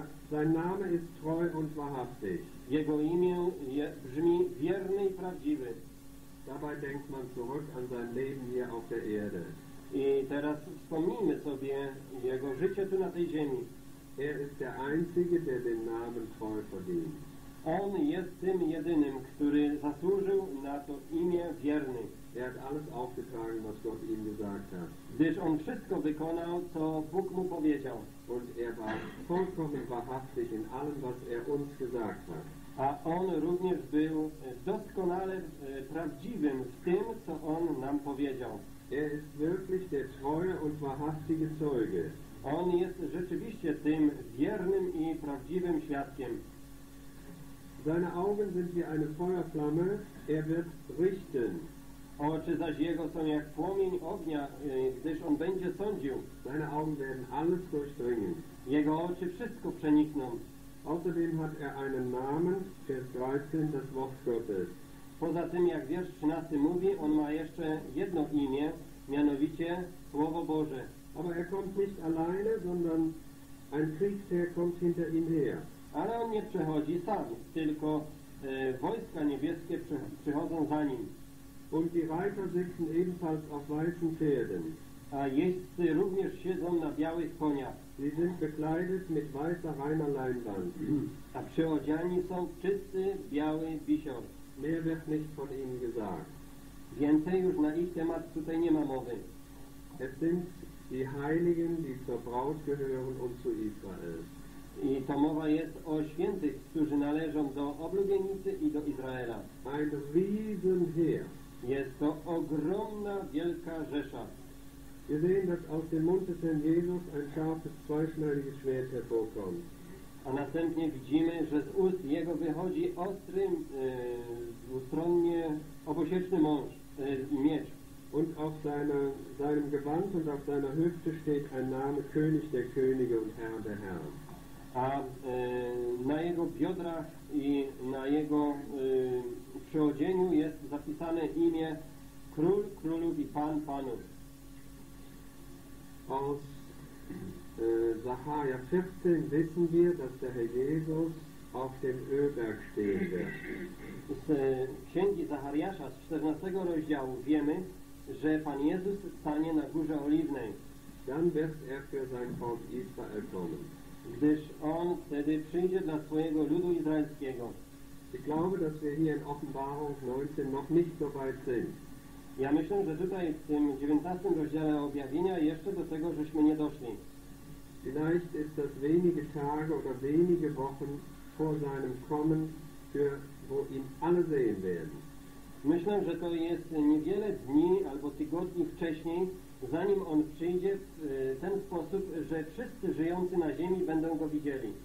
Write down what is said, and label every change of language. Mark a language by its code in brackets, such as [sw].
[de] Sein Name ist treu und wahrhaftig. [pl] Jego imię brzmi wierny i prawdziwy. [de] Dabei denkt man zurück an sein Leben hier auf der Erde. [pl] I teraz wspomnijmy sobie jego życie tu na tej ziemi. [de] Er ist der Einzige, der den Namen treu verdient. [pl] On jest tym jedynym, który zasłużył na to imię wierny. [de] Er hat alles aufgetragen, was Gott ihm gesagt hat. [pl] Gdyż on wszystko wykonał, co Bóg mu powiedział. [de] Und er war vollkommen wahrhaftig in allem, was er uns gesagt hat. [pl] A on również był doskonale prawdziwym w tym, co on nam powiedział. [de] Er ist wirklich der treue und wahrhaftige Zeuge. [pl] On jest rzeczywiście tym wiernym i prawdziwym świadkiem. [de] Seine Augen sind wie eine Feuerflamme, er wird richten. [pl] Oczy zaś jego są jak płomień ognia, gdyż on będzie sądził. [de] Seine Augen werden alles durchdringen. [pl] Jego oczy wszystko przenikną. [de] Außerdem hat einen Namen, Vers 13, das Wort Gottes. [pl] Poza tym, jak wiersz 13 mówi, on ma jeszcze jedno imię, mianowicie Słowo Boże. [de] Aber kommt nicht alleine, sondern ein Kriegsherr kommt hinter ihm her. [pl] Ale on nie przechodzi sam, tylko wojska niebieskie przychodzą za nim. [de] Und die Reiter sitzen ebenfalls auf weißen Pferden. [pl] A jeźdźcy również siedzą na białych koniach. [de] Sie sind bekleidet mit weißer reiner Leinwand. [pl] A przyodziani są w czysty biały wisior. [de] Mehr wird nicht von ihnen gesagt. [pl] Więcej już na ich temat tutaj nie ma mowy. [de] Es sind die Heiligen, die zur Braut gehören und zu Israel. [pl] I ta mowa jest o świętych, którzy należą do oblubienicy i do Izraela. [de] Ein Riesenheer. [pl] Jest to ogromna, wielka rzesza. [de] Wir sehen, dass aus dem Mund des Herrn Jesus ein scharfes, zweischneidiges Schwert hervorkommt. [pl] A następnie widzimy, że z ust jego wychodzi ostry, dwustronnie obosieczny miecz. [de] Und auf seinem Gewand und auf seiner Hüfte steht ein Name, König der Könige und Herr der Herren. [pl] A na jego biodrach i na jego przyodzieniu jest zapisane imię Król Królów i Pan Panów. [de] Aus Zacharia 14 wissen wir, dass der Herr Jesus auf dem Ölberg stehen wird. [pl] Z Księgi Zachariasza, z 14 rozdziału, wiemy, że Pan Jezus stanie na Górze Oliwnej. [de] Dann wird er für sein Volk Israel kommen. [pl] gdyż on wtedy przyjdzie dla swojego ludu izraelskiego. [de] Ich glaube, dass wir hier in Offenbarung 19 noch nicht so weit sind. [pl] Ja myślę, że tutaj w tym 19 rozdziale objawienia jeszcze do tego żeśmy nie doszli. [de] Vielleicht ist das wenige Tage oder wenige Wochen vor seinem Kommen, für, wo ihn alle sehen werden. [pl] Myślę, że to jest niewiele dni albo tygodni wcześniej, zanim on przyjdzie w ten sposób, że wszyscy żyjący na ziemi będą go widzieli.